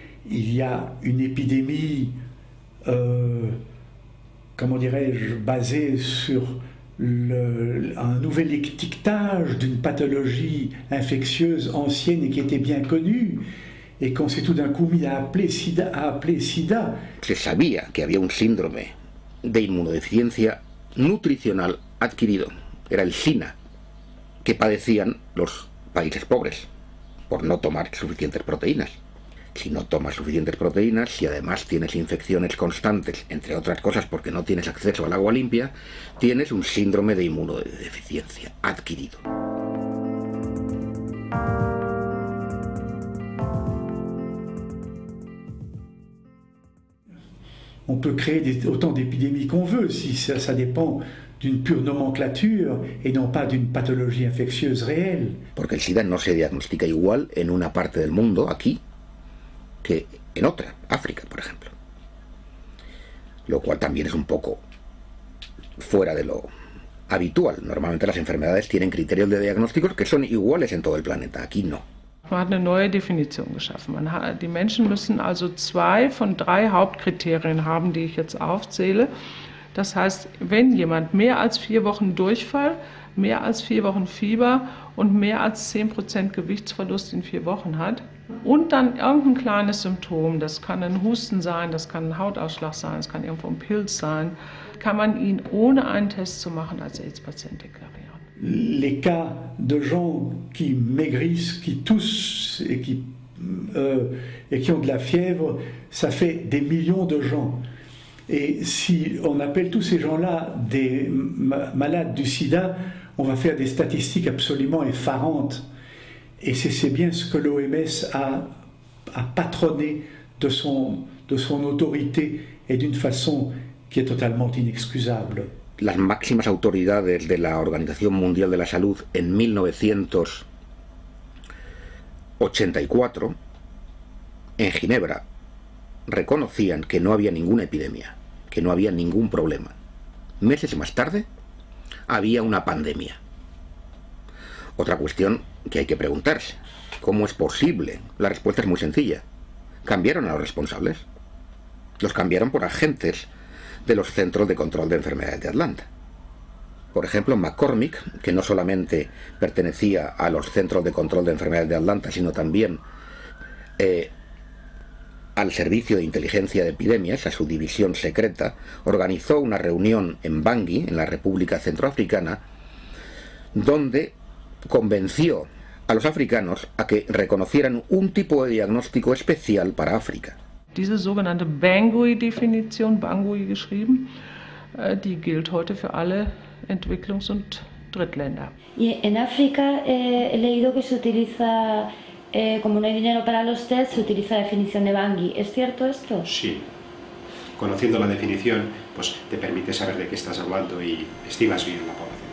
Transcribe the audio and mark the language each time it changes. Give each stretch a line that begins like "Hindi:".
French: Il y a une épidémie, comment dirais-je, basée sur un nouvel étiquetage d'une pathologie infectieuse ancienne et qui était bien connue, et qu'on s'est tout d'un coup mis à appeler sida.
Spanish: Se sabía que había un síndrome de inmunodeficiencia nutricional adquirido. Era el SINA, que padecían los países pobres por no tomar suficientes proteínas. Si no tomas suficientes proteínas, si además tienes infecciones constantes, entre otras cosas porque no tienes acceso al agua limpia, tienes un síndrome de inmunodeficiencia adquirido. On peut créer autant d'épidémies qu'on veut, si ça dépend d'une pure nomenclature et non pas d'une pathologie infectieuse réelle. Porque el SIDA no se diagnostica igual en una parte del mundo, aquí, que en otra, África, por ejemplo. Lo cual también es un poco fuera de lo habitual. Normalmente las enfermedades tienen criterios de diagnóstico que son iguales en todo el planeta, aquí no.
German: Man hat eine neue Definition geschaffen. Die Menschen müssen also zwei von drei Hauptkriterien haben, die ich jetzt aufzähle. Das heißt, wenn jemand mehr als vier Wochen Durchfall, mehr als vier Wochen Fieber und mehr als 10% Gewichtsverlust in vier Wochen hat und dann irgendein kleines Symptom, das kann ein Husten sein, das kann ein Hautausschlag sein, das kann irgendwo ein Pilz sein, kann man ihn ohne einen Test zu machen als AIDS-Patient deklarieren.
French: Les cas de gens qui maigrissent, qui toussent et qui ont de la fièvre, ça fait des millions de gens. Et si on appelle tous ces gens-là des malades du sida, on va faire des statistiques absolument effarantes. Et c'est bien ce que l'OMS a patronné de son autorité et d'une façon qui est totalement inexcusable.
Spanish: Las máximas autoridades de la Organización Mundial de la Salud en 1984, en Ginebra, reconocían que no había ninguna epidemia, que no había ningún problema. Meses más tarde, había una pandemia. Otra cuestión que hay que preguntarse, ¿cómo es posible? La respuesta es muy sencilla. ¿Cambiaron a los responsables? Los cambiaron por agentes de los centros de control de enfermedades de Atlanta. Por ejemplo, McCormick, que no solamente pertenecía a los centros de control de enfermedades de Atlanta, sino también al servicio de inteligencia de epidemias, a su división secreta, organizó una reunión en Bangui, en la República Centroafricana, donde convenció a los africanos a que reconocieran un tipo de diagnóstico especial para África.
German: Diese sogenannte Bangui-Definition, Bangui geschrieben, die gilt heute für alle Entwicklungs- und Drittländer. In Afrika
Spanish: he leído que se utiliza, como no hay dinero para los tests, se utiliza la definición de Bangui. ¿Es cierto esto? Sí. Conociendo la definición, pues te permite saber de qué estás hablando y estimas bien la población.